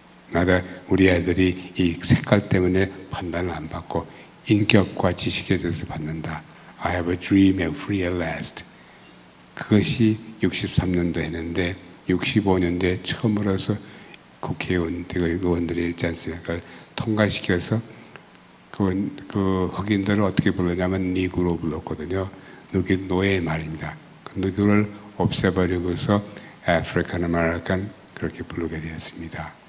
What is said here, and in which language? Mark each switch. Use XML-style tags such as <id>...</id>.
<ko>나도 우리 애들이 이 색깔 때문에 판단을 안 받고 인격과 지식에 대해서 받는다.</ko> <en>I have a dream and free at last.</en> <ko>그것이 63년도 했는데 65년도에 처음으로서 국회의원, 의원들이 있지 않습니까? 통과시켜서 그 흑인들을 어떻게 불렀냐면 니그로 불렀거든요. 그게 노예의 말입니다. 그 누구를 없애버리고서 African American 그렇게 부르게 되었습니다.</ko>